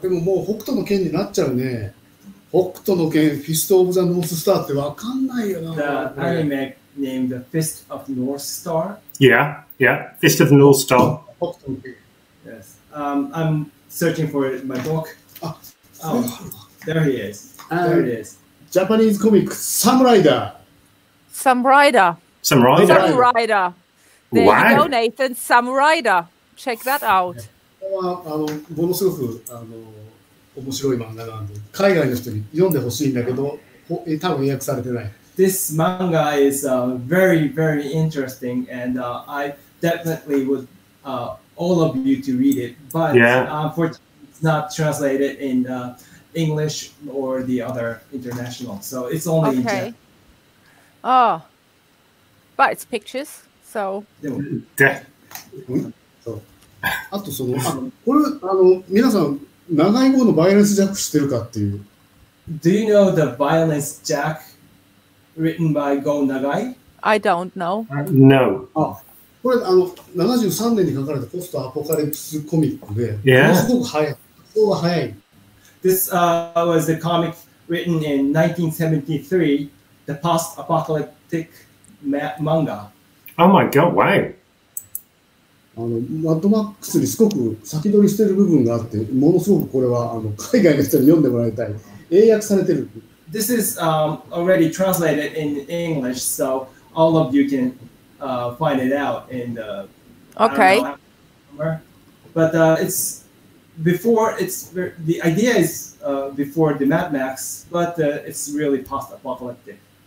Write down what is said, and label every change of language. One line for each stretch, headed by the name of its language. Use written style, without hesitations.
Japanese: でももう北斗の拳になっちゃうね。北斗の拳、フィスト・オブ・ザ・ノース・スターってわかんないよな。
English: The anime named The Fist of the North Star? Yeah, yeah. Fist of the North Star.
Japanese: 北斗の拳。
English: Yes. I'm searching for my book. There he is. Japanese comic, Samurider. Samurider. There you go, Nathan. Samurider. Check that out. Yeah.
Japanese: ものすごく面白い漫画なんで海外の人に読んでほしいんだけど多分翻訳されてない。
English: This manga is very very interesting and I definitely would all of you to read it, but unfortunately it's not translated in English or the other international, so it's only in Japan. Oh, but it's pictures, so. Death.
Japanese: あとこれ皆さん長い号のバイオレンスジャック知ってるかっていう。
English: Do you know the Violence Jack written by Go Nagai? I don't know. No.
Japanese: これ73年に書かれたポストアポカリプスコミックで、すごく早い。すごく早い。
English: This was a comic written in 1973, the post-apocalyptic manga. Oh my god, wow!
Japanese: マッドマックスにすごく先取りしてる部分があって、ものすごくこれは海外の人に読んでもらいたい。英訳されてる。
English: This is already translated in English, so all of you can find it out in the. Okay. But it's before it's the idea is before the Mad Max, but it's really post-apocalyptic.